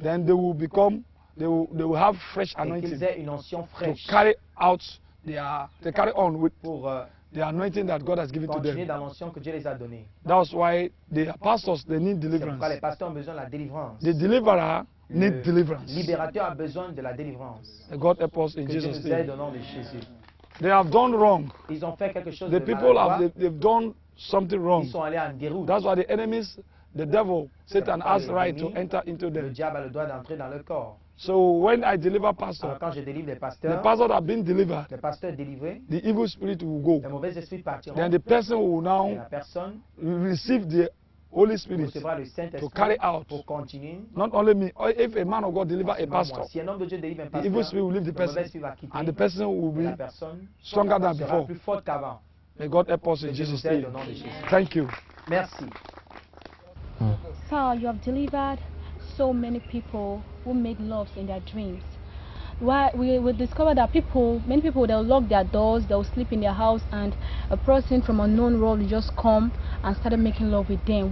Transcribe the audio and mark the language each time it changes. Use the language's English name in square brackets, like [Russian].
[English] Then they will become, they will have fresh anointing. [French] Et qu'ils aient une onction fraîche. [English] To carry out their, to carry on with. The anointing that God has given to them. [French] Dans l'onction que Dieu les a donné. [English] That's why the pastors they need deliverance. [French] C'est pourquoi les pasteurs ont besoin de la délivrance. [English] The deliverer need deliverance. [French] Libérateur a besoin de la délivrance. [English] And God help us in Jesus' name. [French] Que Dieu nous aide au nom de Jésus. [English] They have done wrong. [French] Ils ont fait quelque chose [English] the [French] de [English] people have they've done something wrong. [French] Ils sont allés en déroute. [English] That's why the enemies, the devil, Satan has right to enter into them. [French] Le diable a le droit d'entrer dans leur corps. [English] So when I deliver pastor, [French] alors quand je délivre les pasteurs, [English] the pastor that have been delivered, [French] les pasteurs délivrés, [English] the evil spirit will go. [French] Les mauvais esprits partiront. [English] Then the person will now [French] la personne [English] receive the Holy Spirit [French] recevra le Saint-Esprit [English] to carry out. [French] Pour continuer. [English] Not only me, if a man of God delivers a pastor, [French] si un homme de Dieu délivre un pasteur, [English] the evil spirit will leave the person, [French] le mauvais esprit va quitter, [English] and the person will be stronger than before. [French] Plus forte qu'avant. [English] May God help us in Jesus' name. Thank you. [French] Merci. [English] Sir, you have delivered so many people who made loves in their dreams. We discovered that many people, they'll lock their doors, they'll sleep in their house, and a person from unknown world just come and started making love with them.